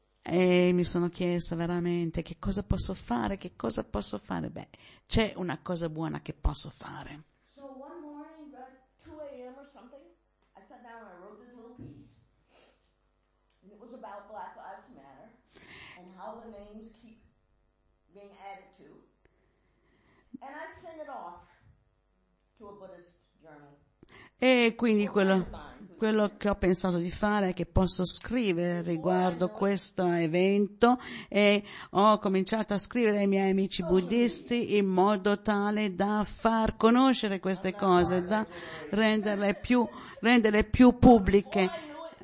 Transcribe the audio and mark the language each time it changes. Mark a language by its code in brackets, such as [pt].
[it] E mi sono chiesta veramente che cosa posso fare? Beh, c'è una cosa buona che posso fare. [en] So one morning, about 2 a.m. or something, I sat down and I wrote this little piece. And it was about Black Lives Matter and how the names keep being added to. And I sent it off to a Buddhist journal. [it] E quindi quello che ho pensato di fare è che posso scrivere riguardo questo evento, e ho cominciato a scrivere ai miei amici buddisti in modo tale da far conoscere queste cose, da renderle più pubbliche.